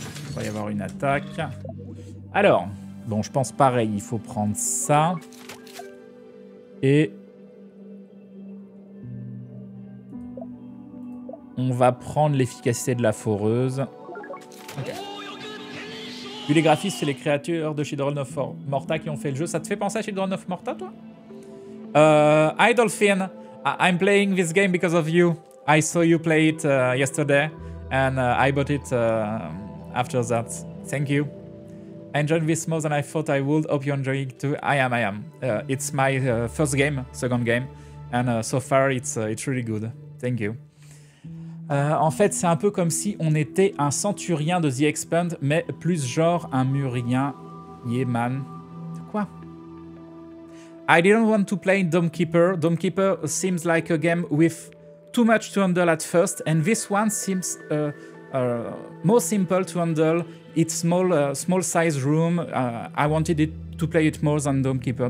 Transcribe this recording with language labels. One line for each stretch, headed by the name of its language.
French: Il va y avoir une attaque. Alors... Bon, je pense pareil, il faut prendre ça. Et... On va prendre l'efficacité de la foreuse. Okay. Vu les graphismes, c'est les créatures de Children of Morta qui ont fait le jeu. Ça te fait penser à Children of Morta, toi?
English: Hi, Dolphin. I'm playing this game because of you. I saw you play it yesterday. And I bought it after that. Thank you. I enjoyed this more than I thought I would. Hope you enjoy it too. I am. It's my first game, second game. And so far, it's really good. Thank you.
French: En fait, c'est un peu comme si on était un centurien de The Expand, mais plus genre un murien.
English: Yeah, man.
French: Quoi?
English: I didn't want to play Domekeeper. Domekeeper seems like a game with too much to handle at first. And this one seems... more simple to handle. It's small, small size room. I wanted it to play it more than Domekeeper.